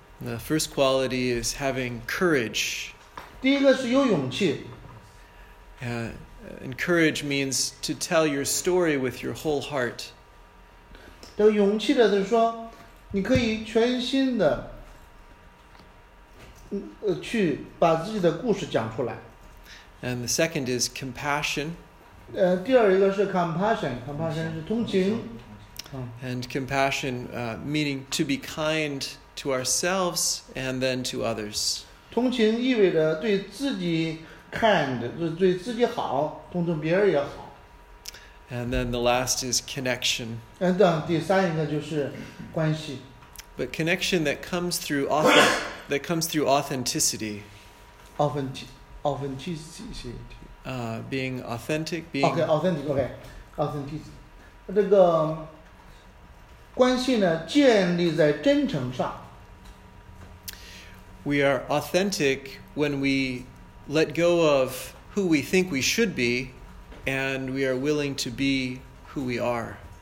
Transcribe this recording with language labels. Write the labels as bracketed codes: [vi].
[en] The first quality is having courage. [zh] 第一个是有勇气。 [en] And courage means to tell your story with your whole heart. [zh] 有勇气的就是说，你可以全心的去把自己的故事讲出来。 [en] And the second is compassion. [zh] 第二一个是compassion，compassion是同情。 [en] And compassion meaning to be kind to ourselves and then to others. [zh] 同情意味着对自己 kind, 对自己好, 同情别人也好。 [en] And then the last is connection. And then [zh] 第三一个就是关系。 [en] But connection that comes through authenticity. Authenticity. Being authentic, being Authenticity. [zh] 这个关系呢建立在真诚上。 [en] We are authentic when we let go of who we think we should be and we are willing to be who we are.